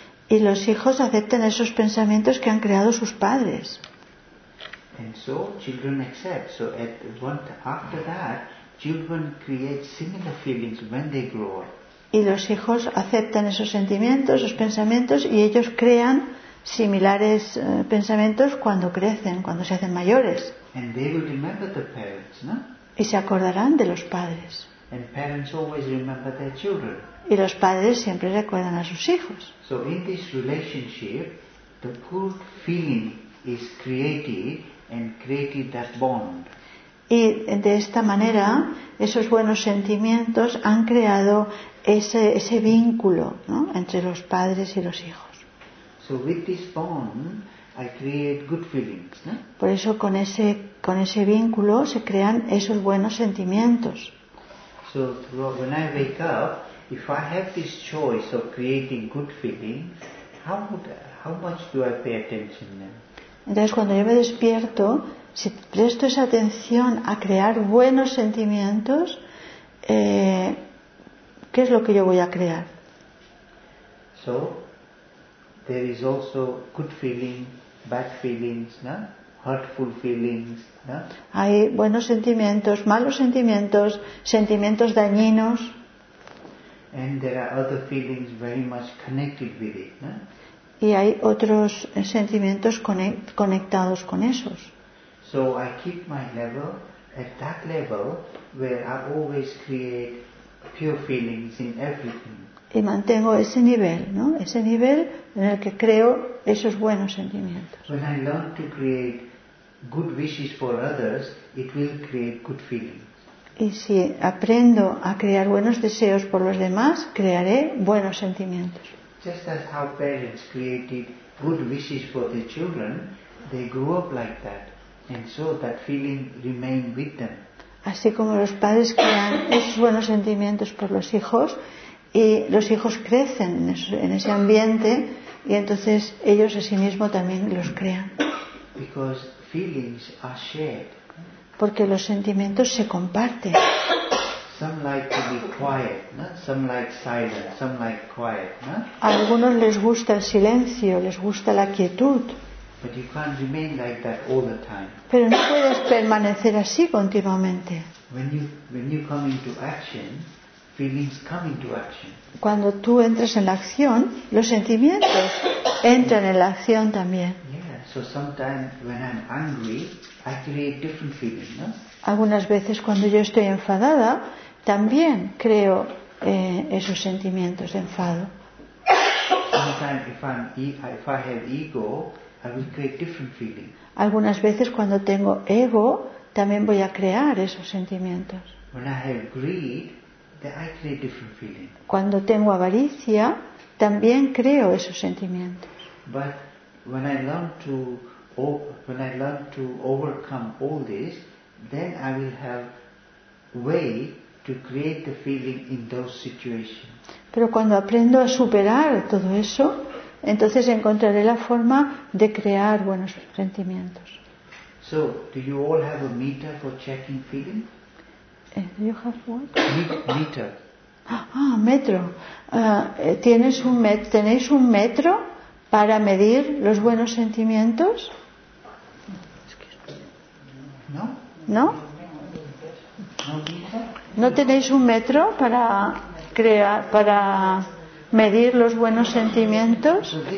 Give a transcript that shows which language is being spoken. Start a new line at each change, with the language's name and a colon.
Spanish: Y los hijos aceptan esos pensamientos que han creado sus padres.
English: And so children accept. So at one, after that, children create similar feelings when they grow up.
Spanish: Y los hijos aceptan esos sentimientos, esos pensamientos, y ellos crean similares pensamientos cuando crecen, cuando se hacen mayores.
English: And they will remember the parents, no?
Spanish: Y se acordarán de los padres.
English: And parents always remember their children.
Spanish: Y los padres siempre recuerdan a sus hijos.
English: So in this relationship, the good feeling is created and created that bond.
Spanish: Y de esta manera, esos buenos sentimientos han creado ese vínculo, ¿no? Entre los padres y los hijos.
English: So with this bond, I create good feelings, ¿no?
Spanish: Por eso con ese vínculo se crean esos buenos sentimientos.
English: So when I wake up, if I have this choice of creating good feelings, how much do I pay attention then?
Spanish: Entonces cuando yo me despierto, si presto esa atención a crear buenos sentimientos, ¿qué es lo que yo voy a crear?
English: So, there is also good feeling, bad feelings, no? Hurtful feelings, no?
Spanish: Hay buenos sentimientos, malos sentimientos, sentimientos dañinos.
English: And there are other feelings very much connected with it, no?
Spanish: Y hay otros sentimientos conectados con esos.
English: So I keep my level at that level where I always create pure feelings in everything.
Spanish: Y mantengo ese nivel, ¿no? Ese nivel en el que creo esos buenos sentimientos.
English: When I learn to create good wishes for others, it will create good feelings.
Spanish: Y si aprendo a crear buenos deseos por los demás, crearé buenos sentimientos.
English: Just as how parents created good wishes for their children, they grew up like that, and so that feeling remained with them.
Spanish: Así como los padres crean esos buenos sentimientos por los hijos, y los hijos crecen en ese ambiente, y entonces ellos a sí mismos también los crean.
English: Because feelings are shared.
Spanish: Porque los sentimientos se comparten.
English: Some like to be quiet, no? Some like silent, some like quiet, no?
Spanish: A algunos les gusta el silencio, les gusta la quietud.
English: But you can't remain like that all the time.
Spanish: Pero no puedes permanecer así continuamente.
English: When you come into action, feelings come into action.
Spanish: Cuando tú entras en la acción, los sentimientos entran en la acción también.
English: So sometimes when I'm angry, I create different feelings, no?
Spanish: Algunas veces cuando yo estoy enfadada, también creo esos sentimientos de enfado.
English: Sometimes if I have ego, I will create different feelings.
Spanish: Algunas veces cuando tengo ego, también voy a crear esos sentimientos.
English: When I have greed, then I create different feelings.
Spanish: Cuando tengo avaricia, también creo esos sentimientos.
English: But when I learn to overcome all this, then I will have way to create the feeling in those situations.
Spanish: Pero cuando aprendo a superar todo eso, entonces encontraré la forma de crear buenos sentimientos.
English: So, do you all have a meter for checking feeling? Do you have what? Meter.
Spanish: Ah, metro. ¿Tenéis un metro para medir los buenos sentimientos? No. ¿No? ¿No tenéis un metro para crear, para medir los buenos sentimientos?